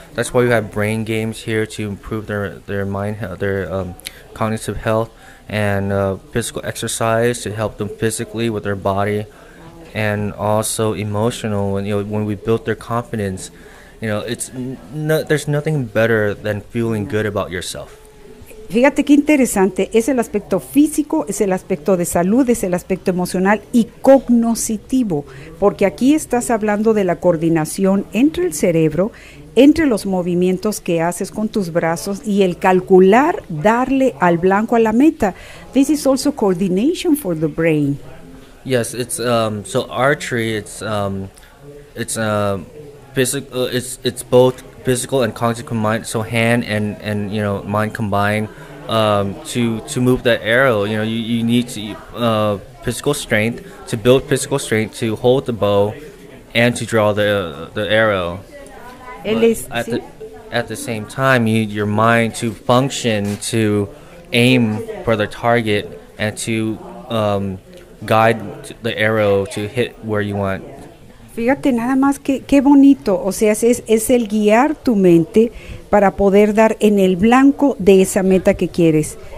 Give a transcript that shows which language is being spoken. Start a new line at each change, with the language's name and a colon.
English: That's why we have brain games here to improve their mind, their cognitive health, and physical exercise to help them physically with their body, and also emotional. And, you know, when we build their confidence, you know, it's there's nothing better than feeling good about yourself.
Spanish: Fíjate qué interesante, es el aspecto físico, es el aspecto de salud, es el aspecto emocional y cognoscitivo, porque aquí estás hablando de la coordinación entre el cerebro, entre los movimientos que haces con tus brazos y el calcular, darle al blanco a la meta.
English: This is also coordination for the brain. Yes, it's so archery, it's both physical and cognitive combined, so hand and you know, mind combined, to move that arrow. You know, you need to physical strength to build physical strength to hold the bow and to draw the arrow. At least, at the same time, you need your mind to function, to aim for the target, and to guide the arrow to hit where you want.
Spanish: Fíjate nada más qué bonito, o sea, es el guiar tu mente para poder dar en el blanco de esa meta que quieres.